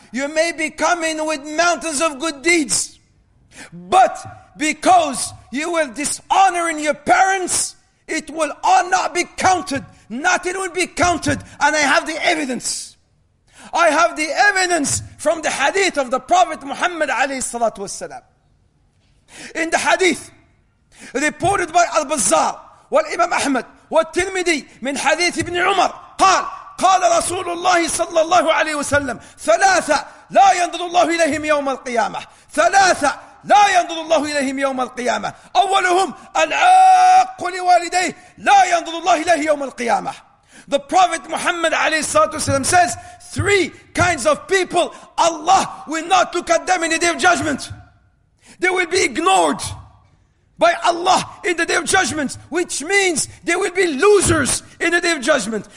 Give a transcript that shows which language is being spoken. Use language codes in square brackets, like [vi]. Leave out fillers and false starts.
[en] You may be coming with mountains of good deeds, but because you were dishonoring your parents, it will all not be counted. Nothing will be counted. And I have the evidence. I have the evidence from the hadith of the Prophet Muhammad alayhi salatu wasalam. In the hadith reported by Al-Bazzar wal Imam Ahmad wa Tirmidhi min hadith Ibn Umar, [ar] قال رسول الله صلى الله عليه وسلم ثلاثة لا ينظر الله إليهم يوم القيامة ثلاثة لا ينظر الله إليهم يوم القيامة أولهم العاق لوالديه لا ينظر الله إليه يوم القيامة. [en] The Prophet Muhammad عليه الصلاة والسلام says three kinds of people Allah will not look at them in the day of judgment. They will be ignored by Allah in the day of judgment, which means they will be losers in the day of judgment.